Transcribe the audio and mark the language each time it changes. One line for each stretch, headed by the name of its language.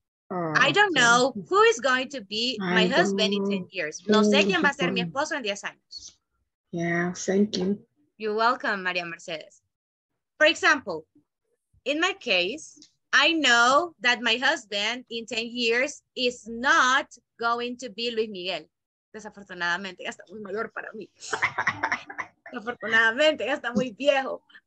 English: I don't know who is going to be my husband in 10 years.
Spanish: No sé quién va a ser mi esposo en 10 años.
English: Yeah, thank you. You're welcome, María Mercedes. For example, in my case, I know that my husband in 10 years is not going to be Luis Miguel.
Spanish: Desafortunadamente, ya está muy mayor para mí. Desafortunadamente, ya está muy viejo.